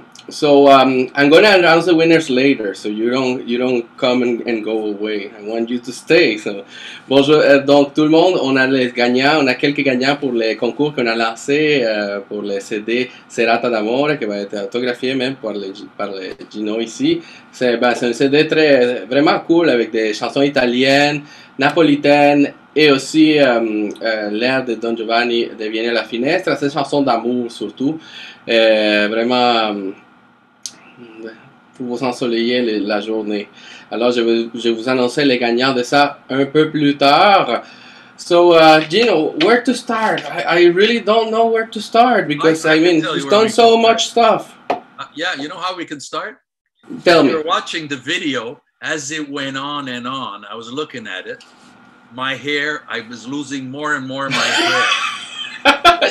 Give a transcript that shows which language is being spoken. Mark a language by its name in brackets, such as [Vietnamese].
[English] I'm gonna announce the winners later, so you don't come and go away. I want you to stay. [French] So bonjour, donc tout le monde, on a les gagnants, on a quelques gagnants pour les concours qu'on a lancé pour les CD Serata d'Amore qui va être autographié même par les Gino ici. C'est un CD très vraiment cool avec des chansons italiennes, napolitaines. Et aussi l'air de Don Giovanni de Vieni alla Finestra, cette chanson d'amour surtout, vraiment pour vous ensoleiller la journée. Alors je vais vous annoncer les gagnants de ça un peu plus tard. [English] So Gino, where to start? I really don't know where to start because I mean you've done so much stuff. Yeah, you know how we can start? Tell me. You're watching the video as it went on and on. I was looking at it. My hair, I was losing more and more of my hair.